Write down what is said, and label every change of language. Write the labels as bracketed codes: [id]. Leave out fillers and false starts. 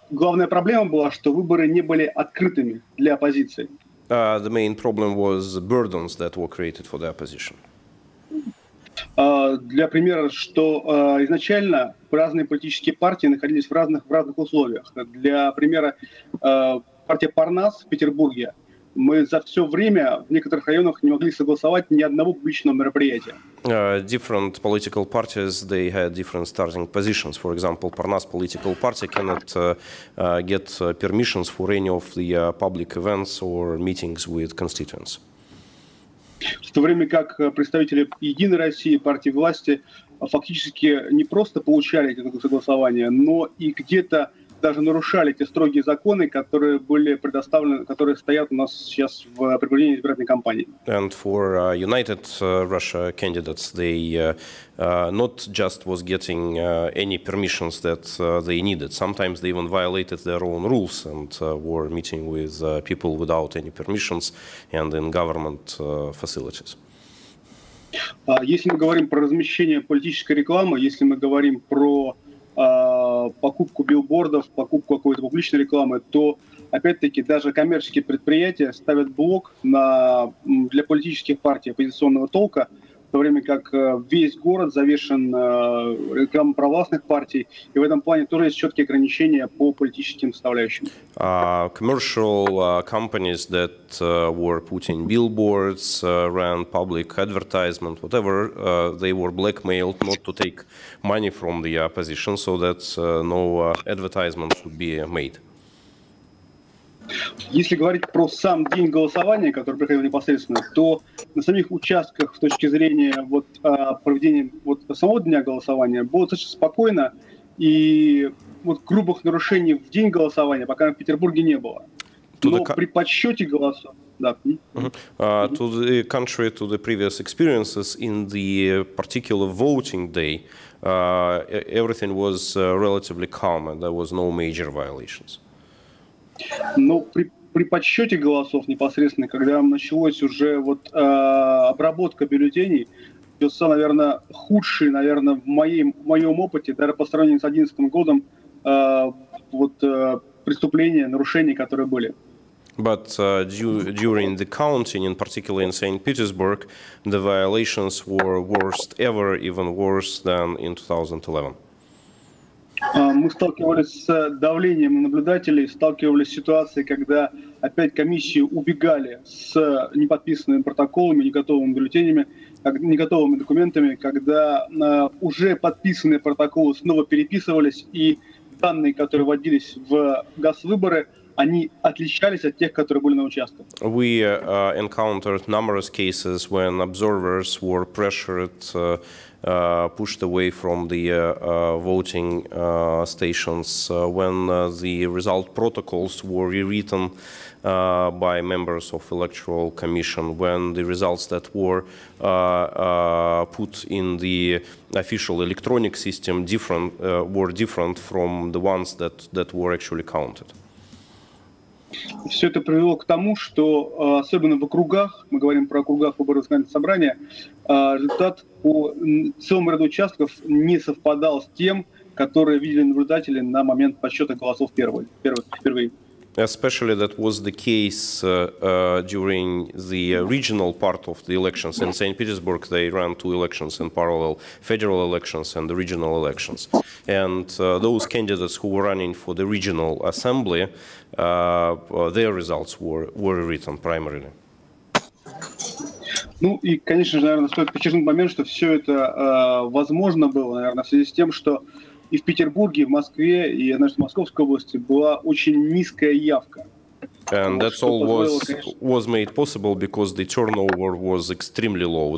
[ru] Главная проблема была, что выборы не были открытыми для оппозиции. [en] The main problem was the burdens that were created for the opposition. [ru] Для примера, что изначально разные политические партии находились в разных условиях. Для примера, партия Парнас в Петербурге, мы за все время в некоторых районах не могли согласовать ни одного публичного мероприятия. [en] Different political parties, they had different starting positions. For example, Parnas political party cannot get permissions for any of the public events or meetings with constituents. [ru] В то время как представители Единой России, партии власти, фактически не просто получали эти согласования, но и где-то даже нарушали те строгие законы, которые были предоставлены, которые стоят у нас сейчас в предвыборной избирательной кампании. [en] And for United Russia candidates, they not just was getting any permissions that they needed. Sometimes they even violated their own rules and were meeting with people without any permissions and in government facilities. [ru] Если мы говорим про размещение политической рекламы, если мы говорим про покупку билбордов, покупку какой-то публичной рекламы, то опять-таки даже коммерческие предприятия ставят блок на для политических партий оппозиционного толка, в то время как весь город завешен рекламой провластных партий, и в этом плане тоже есть четкие ограничения по политическим составляющим. [en] Commercial companies that were putting billboards, ran public advertisement, whatever, they were blackmailed not to take money from the opposition, so that no advertisement would be made. [ru] Если говорить про сам день голосования, который проходил непосредственно, то на самих участках, с точки зрения вот проведения вот самого дня голосования, было достаточно спокойно, и вот грубых нарушений в день голосования пока в Петербурге не было. Но при подсчете голосов... [en] To the contrary to the previous experiences, in the particular voting day, everything was relatively calm, and there was no major violations. [ru] Но при подсчете голосов непосредственно, когда началось уже вот обработка бюллетеней, все, наверное, худшее, наверное, в моем опыте, даже по сравнению с 2011 годом, преступления, нарушения, которые были. [en] But during the counting, in particular in St. Petersburg, the violations were worst ever, even worse than in 2011. [ru] Мы сталкивались с давлением наблюдателей, сталкивались с ситуацией, когда опять комиссии убегали с неподписанными протоколами, неготовыми бюллетенями, неготовыми документами, когда уже подписанные протоколы снова переписывались, и данные, которые вводились в госвыборы, они отличались от тех, которые были на участке. [en] We encountered numerous cases when observers were pressured, pushed away from the voting stations when the result protocols were rewritten by members of electoral commission, when the results that were put in the official electronic system different were different from the ones that were actually counted. [ru] Все это привело к тому, что особенно в округах, мы говорим про округах выборов законодательного собрания, результат по целому ряду участков не совпадал с тем, которые видели наблюдатели на момент подсчета голосов первой. [en] Especially that was the case during the regional part of the elections in St. Petersburg. They ran two elections in parallel, federal elections and the regional elections. And those candidates who were running for the regional assembly, their results were written primarily. [ru] Ну и, конечно же, наверное, стоит подчеркнуть момент, что все это возможно было, наверное, в связи с тем, что и в Петербурге, и в Москве, и, значит, в Московской области была очень низкая явка. [en] And that all was made possible because the turnover was extremely low.